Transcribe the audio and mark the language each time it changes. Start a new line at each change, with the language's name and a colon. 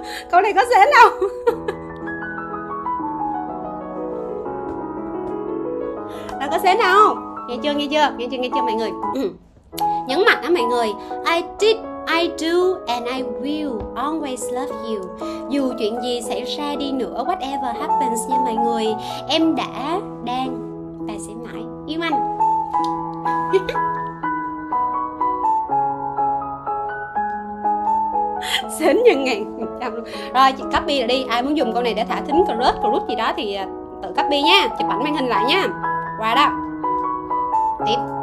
Vietnamese: Câu này có dễ đâu. Có thế nào, nghe chưa mọi người. Nhấn mạnh đó mọi người.
English: I did, I do and I will always love you.
Vietnamese: Dù chuyện gì xảy ra đi nữa,
English: whatever happens
Vietnamese: nha mọi người, em đã, đang và sẽ mãi yêu anh. Xến như ngàn trăm luôn. Rồi chị copy lại đi, ai muốn dùng câu này để thả thính crush group gì đó thì tự copy nha, chụp ảnh màn hình lại nha. Qua đó. Tiếp.